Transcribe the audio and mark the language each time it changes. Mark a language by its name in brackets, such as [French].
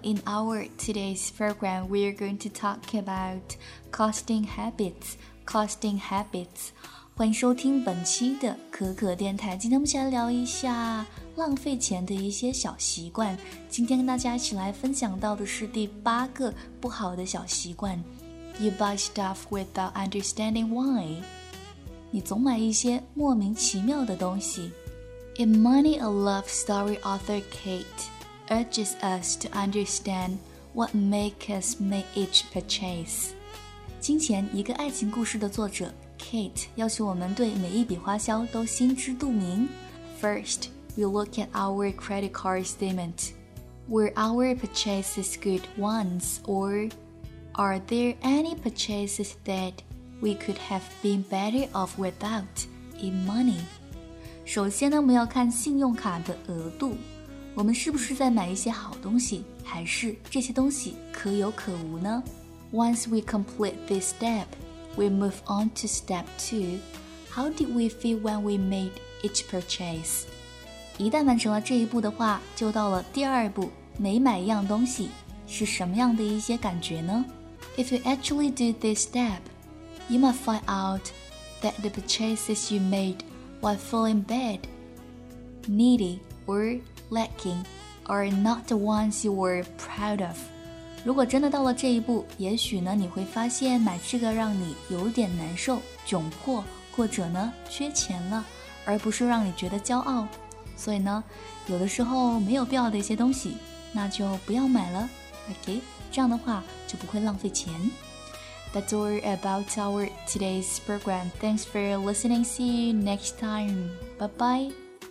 [English] In our today's program, we are going to talk about costing habits. Costing habits. [Chinese] 欢迎收听本期的可可电台。今天我们先来聊一下浪费钱的一些小习惯。今天跟大家一起来分享到的是第八个不好的小习惯。 [English] You buy stuff without understanding why. [Chinese] 你总买一些莫名其妙的东西。 [English] Imani, a love story author Kate, urges us to understand what makes us make each purchase. [Chinese] 金钱，一个爱情故事的作者 Kate 要求我们对每一笔花销都心知肚明。 [English] First, we look at our credit card statement. Were our purchases good ones, or are there any purchases that we could have been better off without Imani? [Chinese] 首先呢，我们要看信用卡的额度，我们是不是在买一些好东西，还是这些东西可有可无呢？ [English] Once we complete this step, we move on to step two. How did we feel when we made each purchase? [Chinese] 一旦完成了这一步的话，就到了第二步，每买一样东西，是什么样的一些感觉呢？ [English] If you actually do this step, you might find out that the purchases you madeWhile feeling bad, needy, or lacking are not the ones you were proud of. [Chinese] 如果真的到了这一步，也许呢，你会发现买这个让你有点难受、窘迫，或者呢，缺钱了，而不是让你觉得骄傲。所以呢，有的时候没有必要的一些东西，那就不要买了。 OK, 这样的话就不会浪费钱。 [English] That's all about our today's program. Thanks for listening. See you next time. Bye-bye.